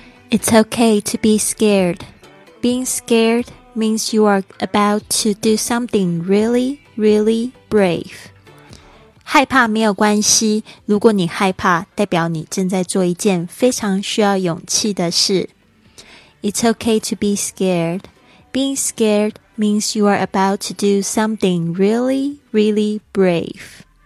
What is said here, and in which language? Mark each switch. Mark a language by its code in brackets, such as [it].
[en] It's okay to be scared. Being scared means you are about to do something really, really brave. [zh] 害怕没有关系，如果你害怕，代表你正在做一件非常需要勇气的事。 [en] It's okay to be scared. Being scared means you are about to do something really, really brave.